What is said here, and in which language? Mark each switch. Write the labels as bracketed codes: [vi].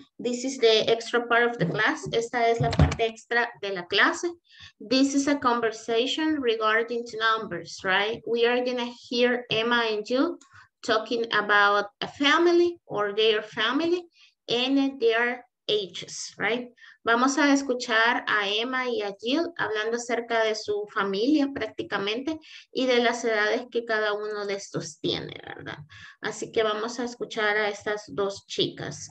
[en] This is the extra part of the class. [es] Esta es la parte extra de la clase. [en] This is a conversation regarding numbers, right? We are going to hear Emma and you talking about a family or their family and their ages, right? [es] Vamos a escuchar a Emma y a Jill hablando acerca de su familia prácticamente y de las edades que cada uno de estos tiene, ¿verdad? Así que vamos a escuchar a estas dos chicas.